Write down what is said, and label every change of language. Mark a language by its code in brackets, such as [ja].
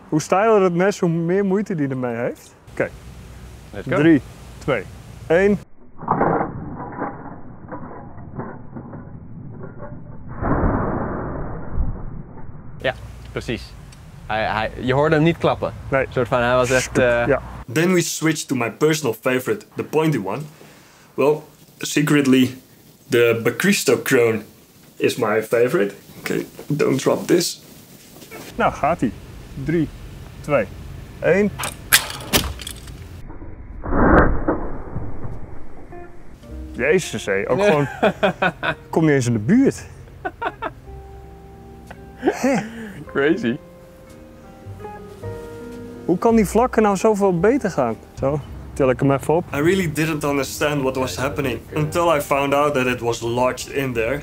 [nl] Hoe stijler het mes, hoe meer moeite die ermee heeft. Oké. Okay. 3, 2, 1. Ja, precies. Je hoorde hem niet klappen. Nee. Een soort van, hij was echt... [en] Then we switched to my personal favorite, the pointy one. Well, secretly, the Bacristo Crone is my favorite. Okay, don't drop this. [nl] Nou, gaat hij. 3, 2, 1. Jezus, hé. Ook nee. Gewoon... Kom niet eens in de buurt. [en] Crazy. [nl] Hoe kan die vlakken nou zoveel beter gaan? Zo, til ik hem even op. [en] I really didn't understand what was happening. Until I found out that it was lodged in there.